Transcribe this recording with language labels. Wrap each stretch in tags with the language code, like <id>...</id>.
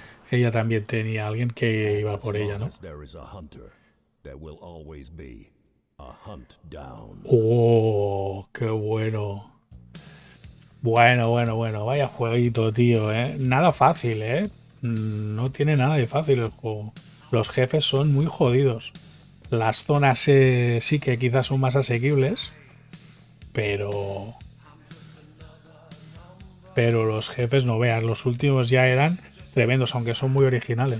<es>Ella también tenía alguien que iba por ella, ¿no?</es> <en>There is a hunter, there will always be a hunt down.</en> <es>Oh, qué bueno. Bueno, vaya jueguito, tío, ¿eh? Nada fácil, ¿eh? No tiene nada de fácil el juego. Los jefes son muy jodidos. Las zonas sí que quizás son más asequibles, pero los jefes, no veas, los últimos ya eran tremendos, aunque son muy originales.</es>